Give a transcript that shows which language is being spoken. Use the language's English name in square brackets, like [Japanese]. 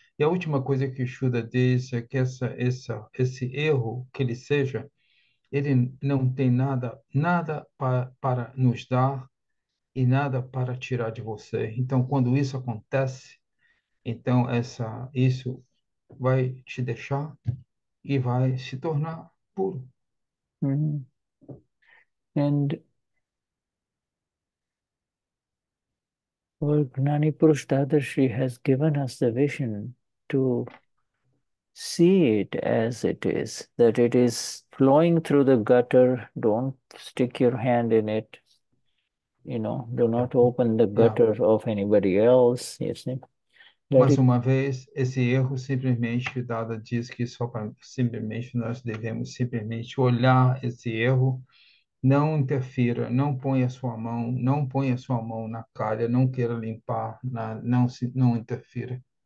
[Portuguese] E a última coisa que o Shuddha diz é que esse erro, que ele seja, ele não tem nada para nos dar e nada para tirar de você. Então, quando isso acontece, então isso vai te deixar e vai se tornar puro. [English] And well, Gnani Purush Dadashri has given us the vision to see it as it is, that it is flowing through the gutter. Don't stick your hand in it, you know, do not open the gutter of anybody else, you see. [Portuguese] Mais uma vez, esse erro simplesmente, Dada diz que só para simplesmente nós devemos simplesmente olhar esse erro, não interfira, não ponha a sua mão, não ponha a sua mão na calha, não queira limpar, não interfira.